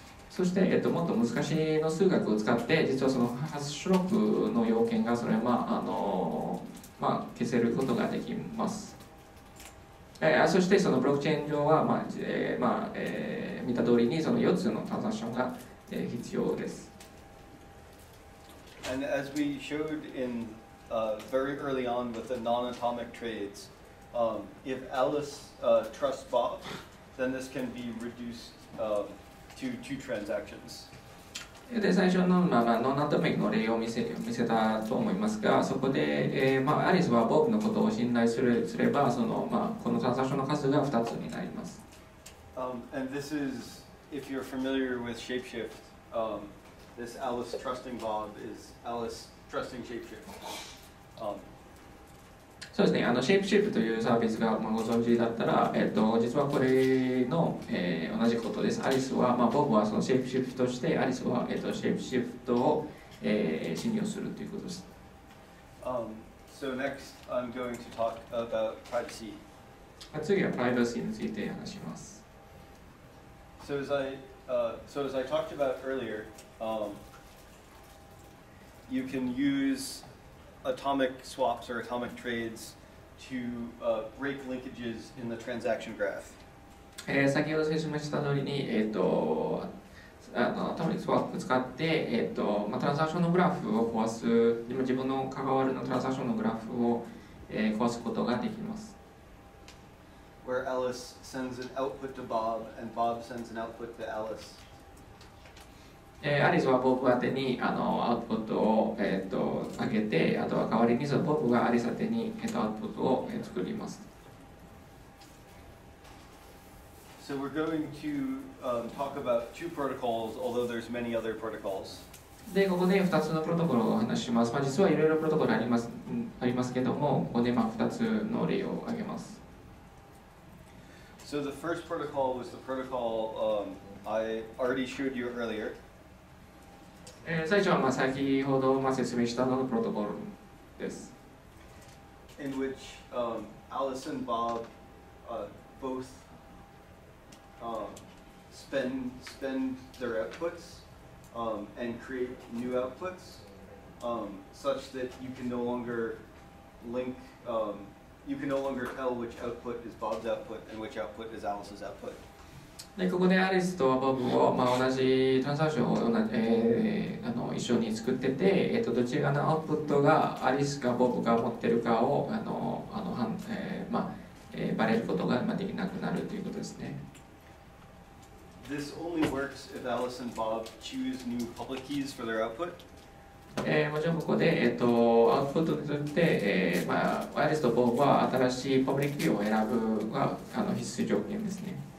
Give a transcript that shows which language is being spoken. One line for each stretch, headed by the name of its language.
Japanese: そして、もっと難しいの数学を使って、実はそのハッシュロックの要件がそれは、まあ、消せることができます。そしてそのブロックチェーン上は、まあ見た通りにその4つのトランザクションが、必要です。
English: And as we showed in very early on with the non-atomic trades, if Alice trusts Bob, then this can be reduced to two transactions.
Japanese: で最初の、まあ、ノンアトミックの例を見せたと思いますが、そこで、まあ、アリスはボブのことを信頼すればその、まあ、このトランザクションの数が2つになります。
English: And this is, if you're familiar with shapeshift, this Alice trusting Bob is Alice trusting shapeshift.
Japanese: そうですね、shapeshift というサービスが、まあ、ご存知だったら、実はこれの、同じことです。アリスは、まあ、ボブはその shapeshift として、アリスは、shapeshift を、信用するということです。
English: So next, I'm going to talk about privacy.
Japanese: 次はプライバシーについて話します。
English: So as I talked about earlier, you can useAtomic swaps or atomic trades to break linkages in the transaction graph.
Japanese: 先ほど説明した通りに、atomic swap を使って、まあ、トランザクションのグラフを壊す、自分の関わるのトランザクションのグラフを、壊すことができます。
English: Where Alice sends an output to Bob, and Bob sends an output to Alice.
Japanese: アリスはボブ宛にアウトプットを上げて、あとは代わりにボブがアリス宛にアウトプットを作ります。
English: So we're going to talk about two protocols, although there's many other protocols.
Japanese: で、ここで2つのプロトコルをお話しします。まあ、実はいろいろプロトコルありますけども、ここでまあ2つの例を挙げます。
English: So the first protocol was the protocol I already showed you earlier.
Japanese: 最初はまあ先ほど説明したののプロトコルです。
English: In which Alice and Bob both spend their outputs and create new outputs such that you can no longer link, you can no longer tell which output is Bob's output and which output is Alice's output.
Japanese: でここでアリスとボブを、まあ、同じトランザクションを同じ、一緒に作ってて、どちらのアウトプットがアリスかボブが持ってるかをバレることができなくなるということですね。
English: This only works if Alice and Bob choose new public keys for their output.
Japanese: もちろんここで、アウトプットにとって、アリスとボブは新しいパブリックキーを選ぶが必須条件ですね。